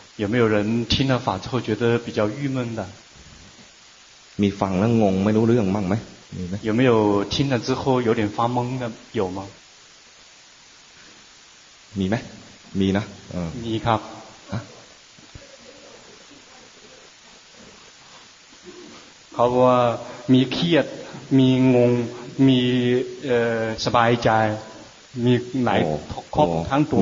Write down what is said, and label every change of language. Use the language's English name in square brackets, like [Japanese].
[Chinese] 有没有人听了法之后觉得比较郁闷的 [Thai] มีฟังแล้วงงไม่รู้เรื่องบ้างมั้ย [Chinese] 有没有听了之后有点发懵的有吗 [Thai] มีไหมมีนะ มีครับเขาบอกว่ามีเครียดมีงงมีสบายใจมีหลายครบทั้งตัว